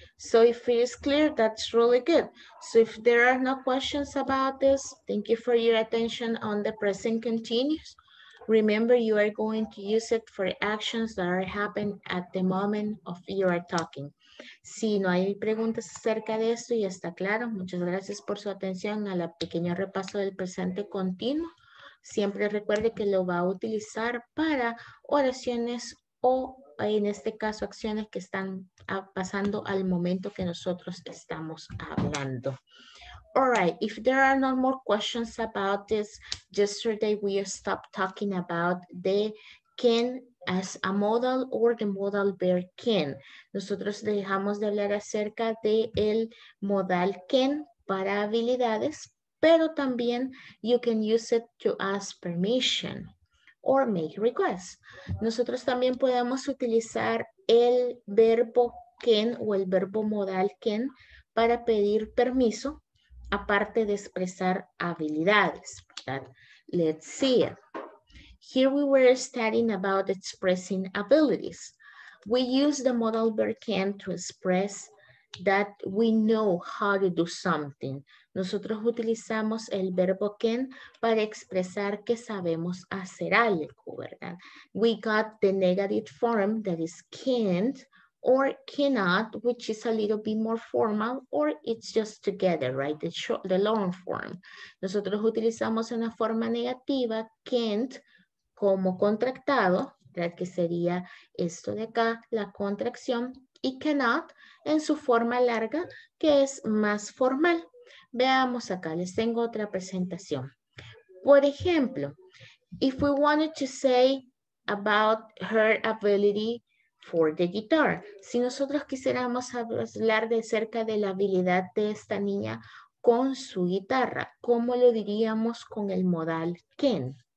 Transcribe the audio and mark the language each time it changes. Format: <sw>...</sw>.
<en>So if it is clear, that's really good. So if there are no questions about this, thank you for your attention on the present continuous. Remember, you are going to use it for actions that are happening at the moment of you are talking.</en> <es>Si no hay preguntas acerca de esto, ya está claro. Muchas gracias por su atención a la pequeña repaso del presente continuo. Siempre recuerde que lo va a utilizar para oraciones o, en este caso, acciones que están pasando al momento que nosotros estamos hablando.</es> <en>All right, if there are no more questions about this, yesterday we stopped talking about the can as a modal or the modal verb can.</en> <es>Nosotros dejamos de hablar acerca del modal can para habilidades. Pero también</es> <en>you can use it to ask permission or make requests.</en> <es>Nosotros también podemos utilizar el verbo can o el verbo modal can para pedir permiso, aparte de expresar habilidades.</es> <en>Let's see it. Here we were studying about expressing abilities. We use the modal verb can to express that we know how to do something.</en> <es>Nosotros utilizamos el verbo can para expresar que sabemos hacer algo, ¿verdad?</es> <en>We got the negative form that is can't or cannot, which is a little bit more formal, or it's just together, right? The long form.</en> <es>Nosotros utilizamos una forma negativa, can't, como contractado, ¿verdad? Que sería esto de acá, la contracción, y cannot en su forma larga, que es más formal. Veamos acá, les tengo otra presentación. Por ejemplo,</es> <en>if we wanted to say about her ability for the guitar,</en> <es>si nosotros quisiéramos hablar de cerca de la habilidad de esta niña con su guitarra, ¿cómo lo diríamos con el modal can?</es>